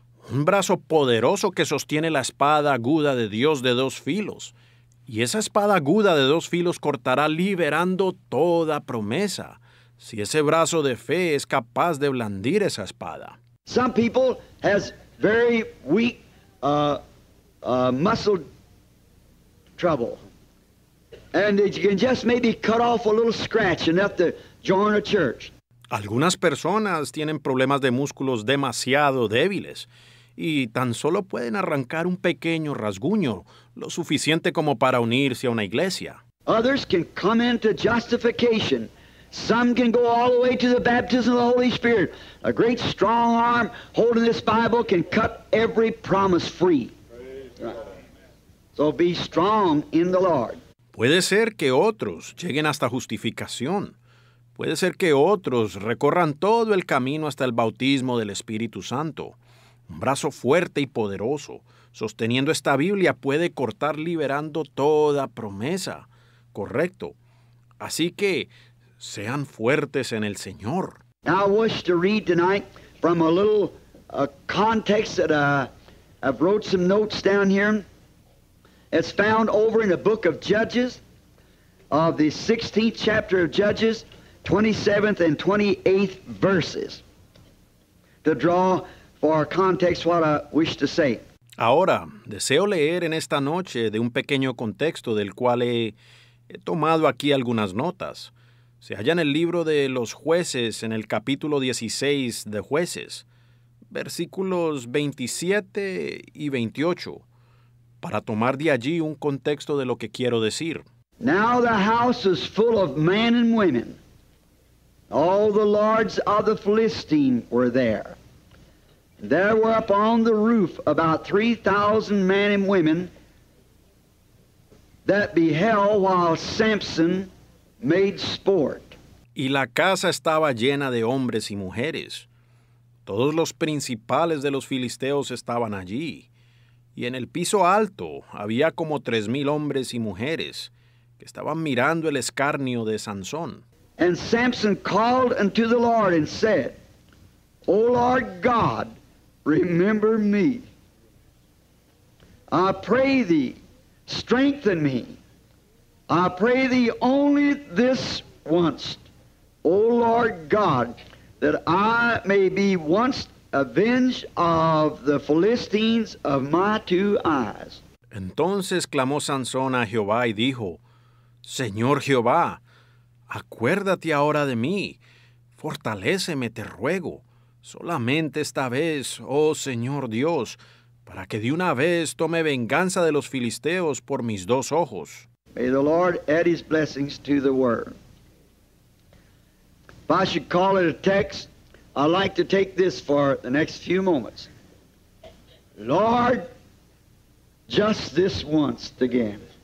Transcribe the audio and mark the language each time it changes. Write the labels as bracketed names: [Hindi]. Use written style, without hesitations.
[Spanish] Un brazo poderoso que sostiene la espada aguda de Dios de dos filos. Y esa espada aguda de dos filos cortará liberando toda promesa. Si ese brazo de fe es capaz de blandir esa espada. [English] Some people has very weak muscle trouble. And you can just maybe cut off a little scratch enough to join a church. [Spanish] Algunas personas tienen problemas de músculos demasiado débiles. Y tan solo pueden arrancar un pequeño rasguño, lo suficiente como para unirse a una iglesia. [English] Others can come into justification. Some can go all the way to the baptism of the Holy Spirit. A great strong arm holding this Bible can cut every promise free. So be strong in the Lord. [Spanish] Puede ser que otros lleguen hasta justificación. Puede ser que otros recorran todo el camino hasta el bautismo del Espíritu Santo. Un brazo fuerte y poderoso, sosteniendo esta Biblia, puede cortar liberando toda promesa. Correcto. Así que, sean fuertes en el Señor. [English] I wish to read tonight from a little context that I've wrote some notes down here. It's found over in the book of Judges, of the 16th chapter of Judges, 27th and 28th verses. To draw for context what I wish to say. [Spanish] Ahora, deseo leer en esta noche de un pequeño contexto del cual he tomado aquí algunas notas. Se halla en el libro de los jueces, en el capítulo 16 de jueces, versículos 27 y 28, para tomar de allí un contexto de lo que quiero decir. [English] Now the house is full of men and women. All the lords of the Philistine were there. There were upon the roof about 3,000 men and women that beheld while Samson made sport. [Spanish] Y la casa estaba llena de hombres y mujeres. Todos los principales de los filisteos estaban allí. Y en el piso alto había como 3,000 hombres y mujeres que estaban mirando el escarnio de Sansón. [English] And Samson called unto the Lord and said, O Lord God, remember me. I pray thee, strengthen me. I pray thee only this once, O Lord God, that I may be once avenged of the Philistines of my two eyes. [Spanish] Entonces clamó Sansón a Jehová y dijo, Señor Jehová, acuérdate ahora de mí. Fortaléceme, te ruego. Solamente esta vez, oh Señor Dios, para que de una vez tome venganza de los filisteos por mis dos ojos. [English] May the Lord add his blessings to the word. If I should call it a text, I'd like to take this for the next few moments. Lord, just this once again.